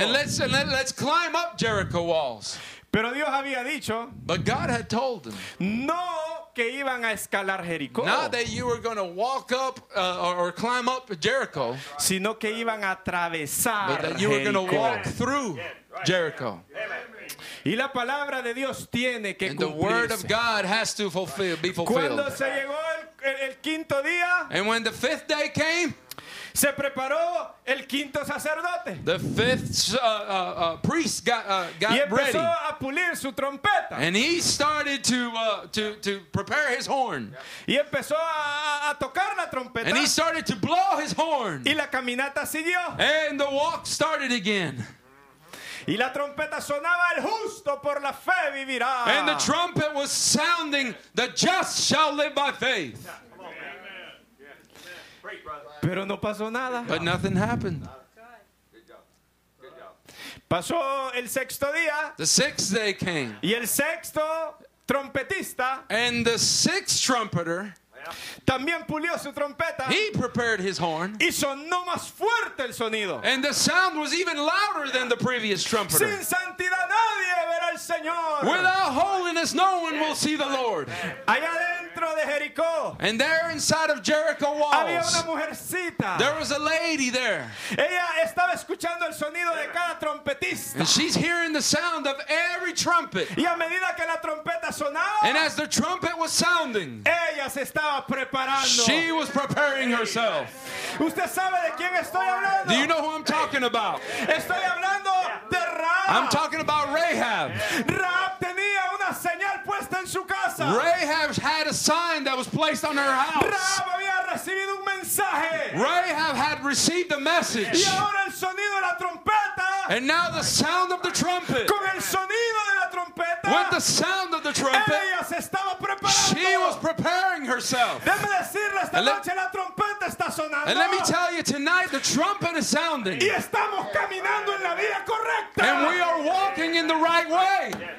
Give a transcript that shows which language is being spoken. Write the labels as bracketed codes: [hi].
[en] And let's climb up Jericho walls. [es] Pero Dios había dicho. [en] But God had told them. [es] No que iban a escalar Jericó. [en] Not that you were going to walk up or climb up Jericho. [es] Sino que iban a atravesar Jericó. [en] But that you were going to walk through Jericho. [es] Y la palabra de Dios tiene que cumplirse. [en] And the word of God has to be fulfilled. [es] Cuando se llegó el quinto día. [en] And when the fifth day came. [es] Se preparó el quinto sacerdote. [en] The fifth priest got [es] y empezó [en] ready. [es] A pulir su trompeta. [en] And he started to prepare his horn. [es] Y empezó a tocar la trompeta. [en] And he started to blow his horn. [es] Y la caminata siguió. [en] And the walk started again. [es] Y la trompeta sonaba, el justo por la fe vivirá. [en] And the trumpet was sounding, the just shall live by faith. [es] Pero no pasó nada. [en] But nothing happened. [es] Pasó el sexto día. [en] The sixth day came. [es] Y el sexto trompetista. [en] And the sixth trumpeter. [es] También pulió su trompeta. [en] He prepared his horn. [es] Y sonó más fuerte el sonido. [en] And the sound was even louder than the previous trumpeter. [es] Sin santidad nadie verá al Señor. [en] Without holiness, no one will see the Lord. [es] Allá dentro de Jericó. [en] And there inside of Jericho walls. [es] Había una mujercita. [en] There was a lady there. [es] Ella estaba escuchando el sonido de cada trompetista. [en] And she's hearing the sound of every trumpet. [es] Y a medida que la trompeta sonaba. [en] And as the trumpet was sounding. [es] Ella se estaba preparando. [en] She was preparing herself. [es] ¿Usted sabe de quién estoy hablando? [en] Do you know who I'm talking about? [es] Estoy hablando de Rahab. [en] I'm talking about Rahab. [es] Rahab tenía una señal puesta en su casa. [en] Rahab had a sign that was placed on her house. [es] Rahab había recibido un mensaje. [en] Rahab had received a message. [es] Y ahora el sonido de la trompeta. [en] And now the sound of the trumpet. [es] Con el sonido de la trompeta. [en] With the sound of the trumpet. [es] Ella se estaba preparando. [en] She was preparing herself. [es] Déjame decirle, esta noche la trompeta está sonando. [en] And let me tell you, tonight the trumpet is sounding. [es] Y estamos caminando en la vía correcta. [en] And we are walking in the right way.